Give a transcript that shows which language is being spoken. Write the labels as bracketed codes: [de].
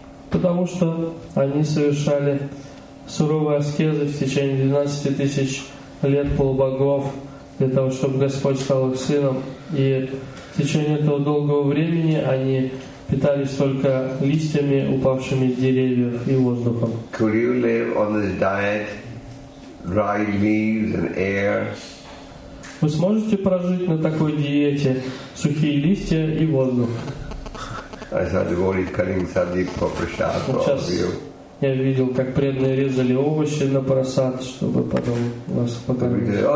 [ru] Потому что они совершали суровые аскезы в течение 12,000 лет полубогов для того, чтобы Господь стал их сыном. И в течение этого долгого времени они питались только листьями, упавшими с деревьев, и воздухом. [en] Could you live on this diet, dry leaves and air? [ru] Вы сможете прожить на такой диете сухие листья и воздух? [en] I saw devotees cutting sabji for prasad for all of you. [ru] Я видел, как преданные резали овощи на просад, чтобы потом вас покормить.